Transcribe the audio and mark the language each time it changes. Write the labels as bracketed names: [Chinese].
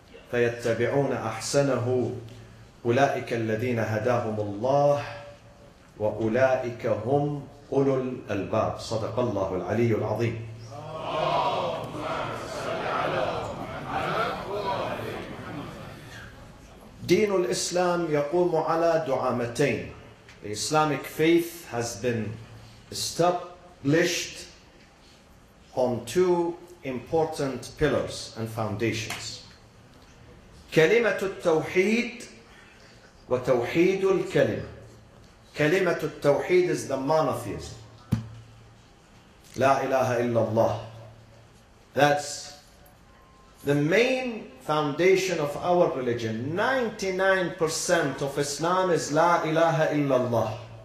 [Arabic] فيتبعون أحسنه أولئك الذين هداهم الله وأولئك هم أولو الألباب صدق الله العلي العظيم دين الإسلام يقوم على دعامتين. [English] The Islamic faith has been established on two important pillars and foundations. [Arabic] كلمة التوحيد وتوحيد الكلمة. [English] كلمة التوحيد is the monotheism. [Arabic] لا إله إلا الله. [English] That's the main foundation of our religion. 99% of Islam is La ilaha illallah.